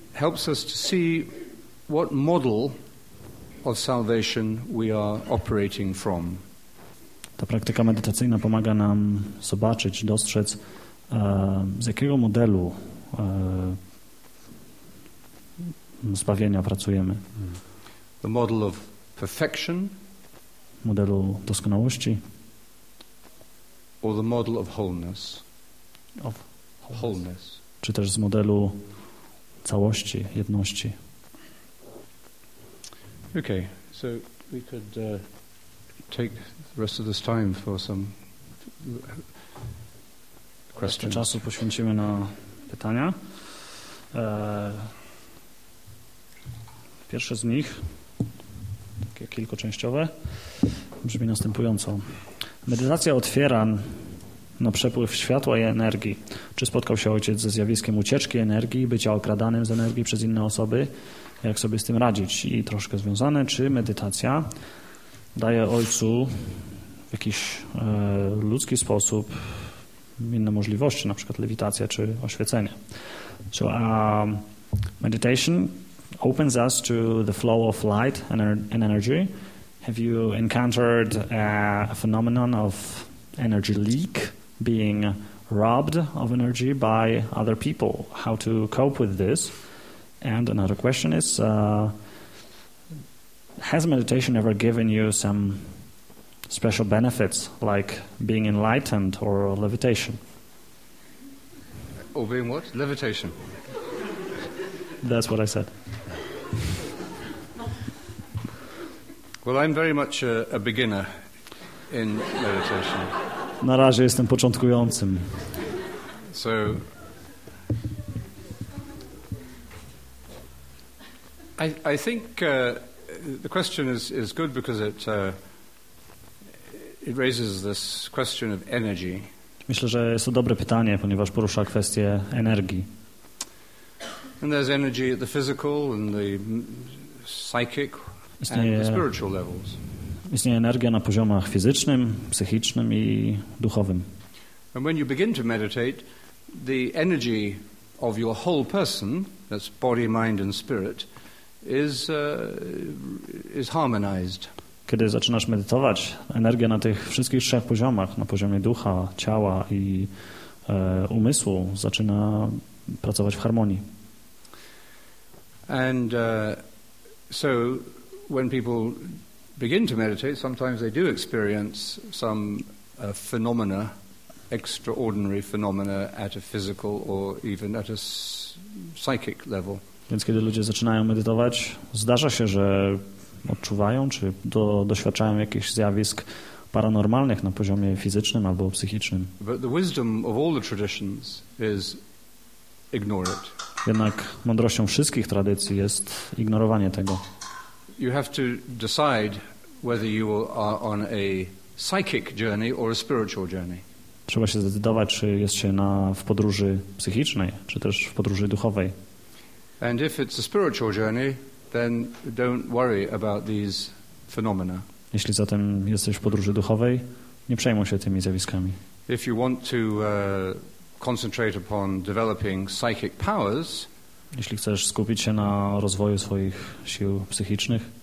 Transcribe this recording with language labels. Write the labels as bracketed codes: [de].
[en] helps us to see what model of salvation we are operating from. [pl] Ta praktyka medytacyjna pomaga nam zobaczyć, dostrzec, z jakiego modelu zbawienia pracujemy. [en] The model of perfection, [pl] modelu doskonałości, [en] or the model of wholeness, [pl] czy też z modelu całości, jedności. [en] Okay, so we could take the rest of this time for some questions. [pl] Czasu poświęcimy na pytania. Pierwsze z nich, takie kilkoczęściowe, brzmi następująco. Medytacja otwiera na przepływ światła i energii. Czy spotkał się ojciec ze zjawiskiem ucieczki energii, bycia okradanym z energii przez inne osoby? Jak sobie z tym radzić? I troszkę związane, czy medytacja daje ojcu w jakiś ludzki sposób inne możliwości, na przykład lewitacja czy oświecenie? [en] So, meditation opens us to the flow of light and energy. Have you encountered a phenomenon of energy leak, being robbed of energy by other people? How to cope with this? And another question is, has meditation ever given you some special benefits, like being enlightened or levitation? Or being what? Levitation. That's what I said. Well, I'm very much a beginner in meditation. [pl] Na razie jestem początkującym. [en] So, I think the question is good because it raises this question of energy. [pl] Myślę, że jest to dobre pytanie, ponieważ porusza kwestię energii. [en] And there's energy at the physical and the psychic and the spiritual levels. [pl] Istnieje energia na poziomach fizycznym, psychicznym i duchowym. [en] And when you begin to meditate, the energy of your whole person, that's body, mind and spirit, is harmonized. [pl] Kiedy zaczynasz medytować, energia na tych wszystkich trzech poziomach, na poziomie ducha, ciała i umysłu, zaczyna pracować w harmonii. [en] And so when people begin to meditate, sometimes they do experience some phenomena, extraordinary phenomena at a physical or even at a psychic level. [pl] Więc kiedy ludzie zaczynają medytować, zdarza się, że odczuwają czy doświadczają jakichś zjawisk paranormalnych na poziomie fizycznym albo psychicznym. [en] But the wisdom of all the traditions is ignore it. [pl] Jednak mądrością wszystkich tradycji jest ignorowanie tego. [en] You have to decide whether you are on a psychic journey or a spiritual journey. [pl] Trzeba się zdecydować, czy jest się w podróży psychicznej, czy też w podróży duchowej. [en] And if it's a spiritual journey, then don't worry about these phenomena. [pl] Jeśli zatem jesteś w podróży duchowej, nie przejmuj się tymi zjawiskami. [en] If you want to concentrate upon developing psychic powers, [pl] jeśli chcesz skupić się na rozwoju swoich sił psychicznych,